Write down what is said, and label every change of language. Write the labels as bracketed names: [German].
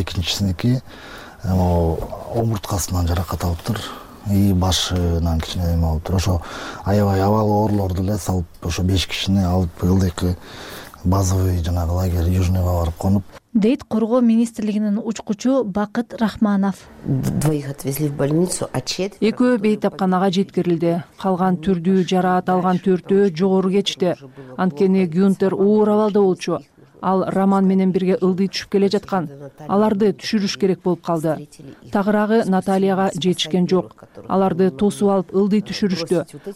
[Kyrgyz] Экинчисиники омурткасынан жаракат алыптыр. И башынан кичине эме болуптур. Ошо аябай абалы оорлорду эле салып, ошо 5 кишини алып ылдыйкы базовый жанагы лагерь Южныйга барып конуп. Дейт коргоо министрлигинин учкучу Бакыт Рахманов. [Russian] Двоих отвезли в больницу, а четверо. [Kyrgyz] Экөө бейтапканага жеткирилди. Калган түрдүү жараат алган төртөө жогору кечти. Анткени Гюнтер оор абалда болчу. Ал Роман менен бирге ылдый түшүп келе жаткан. Аларды түшүрүш керек болуп калды. Тагырагы Наталияга жетишкен жок. Аларды тосуп алып ылдый түшүрүштү.